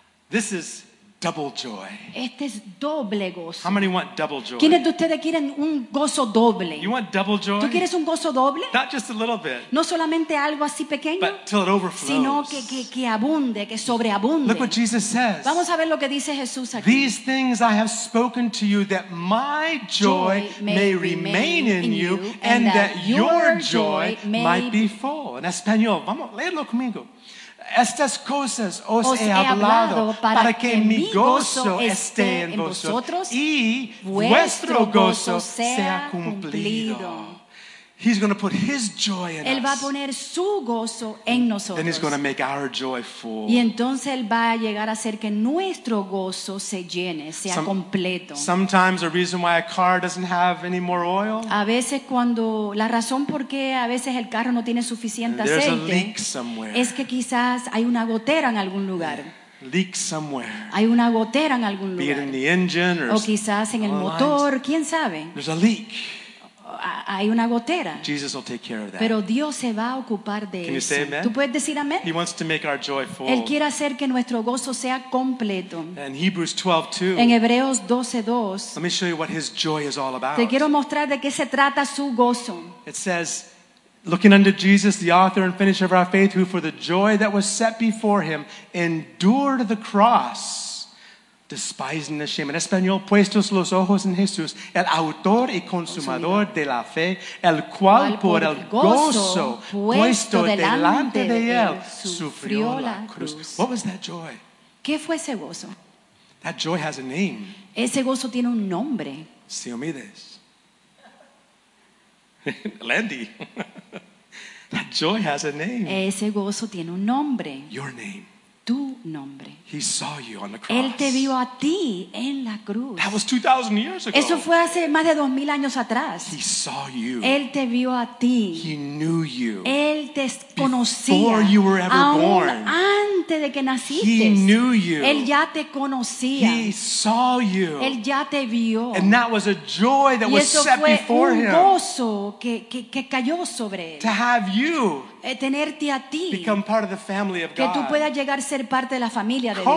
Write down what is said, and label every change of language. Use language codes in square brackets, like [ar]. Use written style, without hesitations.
[en] This is double joy. [es] Este es doble gozo. [en] How many want double joy? [es] ¿Quiénes de ustedes quieren un gozo doble? [en] You want double joy? [es] ¿Tú quieres un gozo doble? [en] Not just a little bit. [es] No solamente algo así pequeño. [en] But till it overflows. [es] Sino que abunde, que sobreabunde. [en] Look what Jesus says. [es] Vamos a ver lo que dice Jesús aquí. [en] These things I have spoken to you that my joy may remain in you and that your joy might be full. [es] En español, vamos, léelo conmigo. Estas cosas os he hablado para que mi gozo esté en vosotros y vuestro gozo sea cumplido. [en] He's going to put his joy in [es] él [en] us. [es] Va a poner su gozo en nosotros. [en] Then he's going to make our joy full. [es] Y entonces él va a llegar a hacer que nuestro gozo se llene, sea completo. [en] Sometimes a reason why a car doesn't have any more oil. [es] A veces cuando la razón por qué a veces el carro no tiene suficiente aceite. [en] There's a leak somewhere. [es] Es que quizás hay una gotera en algún lugar. [en] Leak somewhere. [es] Hay una gotera en algún lugar. [en] Be it in the engine or [es] o quizás en el motor, lines. ¿Quién sabe? [en] There's a leak. [es] Hay una gotera. [en] Jesus will take care of that. [es] Pero Dios se va a ocupar de [en] Can you [es] eso. [en] Say amen? [es] ¿Tú puedes decir amén? [en] He wants to make our joy full. [es] Él quiere hacer que nuestro gozo sea completo. [en] In Hebrews 12:2. [es] En Hebreos 12:2. [en] Let me show you what his joy is all about. [es] Te quiero mostrar de qué se trata su gozo. [en] It says, looking unto Jesus, the author and finisher of our faith, who for the joy that was set before him endured the cross. Despising the shame. [es] En español, puestos los ojos en Jesús, el autor y consumador de la fe, el cual por el gozo puesto delante de él sufrió la cruz. [en] What was that joy? [es] ¿Qué fue ese gozo? [en] That joy has a name. [es] Ese gozo tiene un nombre. Siomides. [en] Landy. That joy has a name. [es] Ese gozo tiene un nombre. [en] Your name. [es] Tu nombre. [en] He saw you on the cross. [es] Él te vio a ti en la cruz. [en] That was 2,000 years ago. [es] Eso fue hace más de 2,000 años atrás. [en] He saw you. [es] Él te vio a ti. [en] He knew you. [es] Él te conocía. [en] Before you were ever born. [es] Antes de que naciste. [en] He knew you. [es] Él ya te conocía. [en] He saw you. [es] Él ya te vio. [en] And that was a joy that was set before him. [es] Y eso fue un gozo que cayó sobre él. [en] To have you. [es] Tenerte a ti. [en] Become part of the family of God. [es] Que tú puedas llegar a ser parte de la familia de